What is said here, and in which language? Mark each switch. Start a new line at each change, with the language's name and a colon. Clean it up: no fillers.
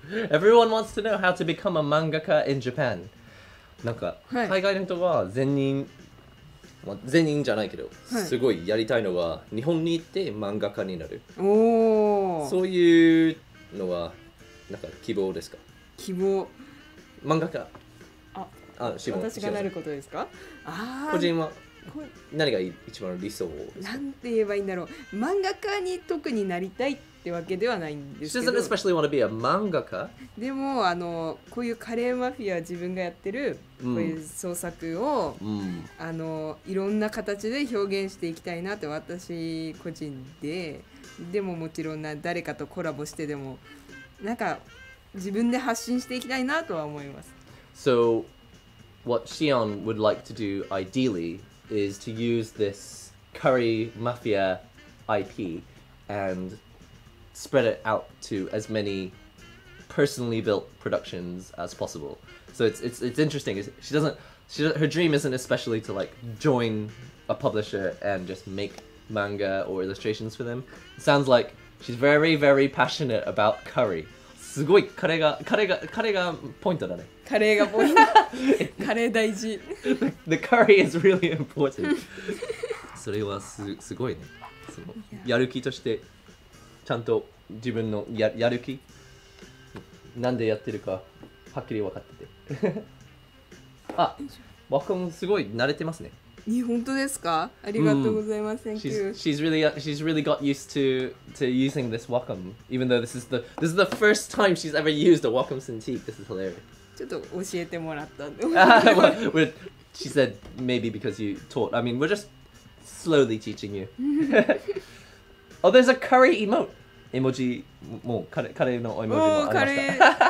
English: Everyone wants to know how to become a mangaka in Japan.
Japanese: なんか、はい、海外の人は全員、まあ、全員じゃないけど、はい、すごいやりたいのは日本に行って漫画家になる。おお、そういうのはなんか希望ですか。希望、漫画家、ああ、志望、私がなることですか。ああ、個人は何が一番理想を、なんて言えばいいんだろう、漫画家に特になりたいってわけではないんですけど。
English: She doesn't especially want to be a manga か。
Japanese: でも、あの、こういうカレーマフィア、自分がやってるこういう創作を、うん、あの、いろんな形で表現していきたいなと、私個人で。でも、もちろん誰かとコラボしてでも、なんか自分で発信していきたいなとは思います。
English: So, what Shion would like to do ideally is to use this curry mafia IP andspread it out to as many personally built productions as possible. So it's interesting. Her dream isn't especially to like join a publisher and just make manga or illustrations for them. It sounds like she's very, very passionate about curry.
Japanese: すごい、カレーがポイントだね。カレーがポイント。カレー大事。
English: The curry is really important.
Japanese: それはすごいね。そのやる気としてちゃんと自分の やる気、なんでやってるかはっきり分かっててあ、ワコンすごい慣れてますね。え、本当ですか。ありがとうございます。
English: Thank you. She's really got used to using this Wacom, even though this is the first time she's ever used a Wacom Cintiq. This is hilarious.
Japanese: ちょっと教えてもらったんで。
English: well, she said maybe because you taught. I mean, we're just slowly teaching you. oh, there's a curry emote.
Japanese: 絵文字、もうカレーの絵文字もありました。